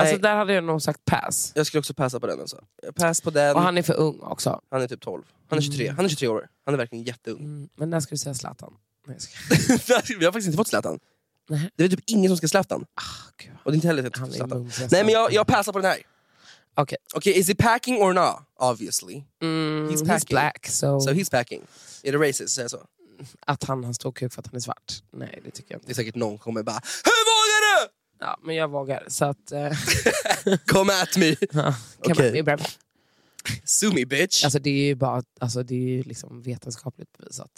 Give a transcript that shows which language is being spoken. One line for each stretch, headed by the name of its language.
Swedish: Alltså där hade jag nog sagt pass. Jag skulle också passa på den alltså. Pass på den. Och han är för ung också. Han är typ 12. Han är 23. Han är 23 år. Han är verkligen jätteung. Mm. Men när ska du säga Zlatan? Nej, vi har faktiskt inte fått Zlatan. Nej. Det är typ ingen som ska Zlatan. Ah, och det är inte heller typ Zlatan. Nej, men jag passar på den här. Okej.
English: Okay. Okej, okay, is he packing or not? Obviously. Mm, he's packing. He's black, so... So he's packing.
Swedish: Är det racist, säger så? Att han står kuk för att han är svart. Nej, det tycker jag inte. Det är säkert någon kommer bara, hur vågar du? Ja, men jag vågar. Så att,
English: come at me. Okay. Come at me. Sue me, bitch.
Swedish: Alltså det är ju bara, alltså det är ju liksom vetenskapligt bevisat.